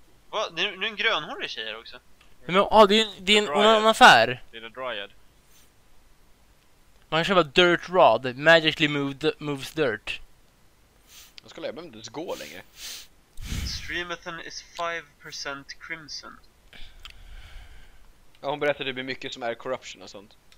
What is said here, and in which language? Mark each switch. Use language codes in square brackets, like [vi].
[sv] Va? Det är en grönhårig tjej här också. Mm. Men, ah, det är en annan affär. Det är en dryad. Man kan köpa dirt rod. [en] Magically moves dirt. [sv] Jag ska lägga, men det ska gå längre. [en] Streamathon is 5% crimson. [sv] Ja, hon berättade det blir mycket som är corruption och sånt.